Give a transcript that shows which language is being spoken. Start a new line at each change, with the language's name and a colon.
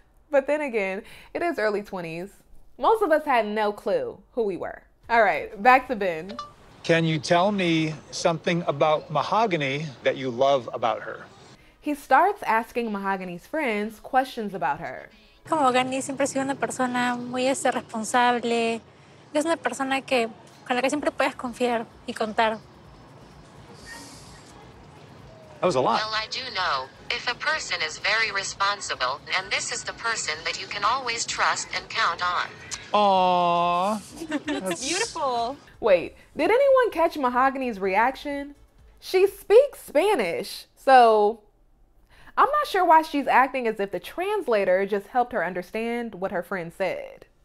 English: But then again, it is early 20s. Most of us had no clue who we were. All right, back to Ben. Can you tell me something about Mahogany that you love about her? He starts asking Mahogany's friends questions about her.
Spanish: Como Mahogany siempre ha sido una persona muy responsable. Es una persona que con la que siempre puedes confiar y contar.
English: That was a lot. Well, I do know. If a person is very responsible, and this is the person that you can always trust and count on. Aww. That's beautiful. Wait, did anyone catch Mahogany's reaction? She speaks Spanish, so I'm not sure why she's acting as if the translator just helped her understand what her friend said.